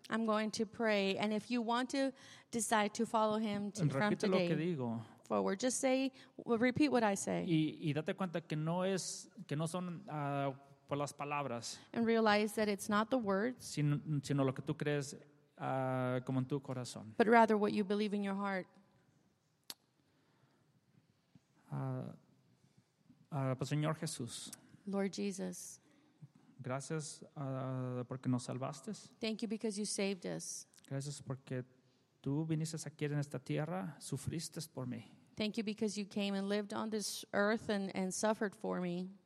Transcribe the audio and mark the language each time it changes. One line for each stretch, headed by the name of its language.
English: I'm going to pray and if you want to decide to follow him from today.
Spanish: Repite lo que digo.
English: Forward, just say, repeat what I say.
Spanish: Y date cuenta que no son por las palabras.
English: And realize that it's not the words.
Spanish: Sino lo que tú crees como en tu corazón.
English: But rather what you believe in your heart.
Spanish: Pues Señor Jesús.
English: Lord Jesus.
Spanish: Gracias porque nos salvaste.
English: Thank you because you saved us.
Spanish: Gracias porque tú viniste aquí en esta tierra, sufriste por mí.
English: Thank you because you came and lived on this earth and suffered for me.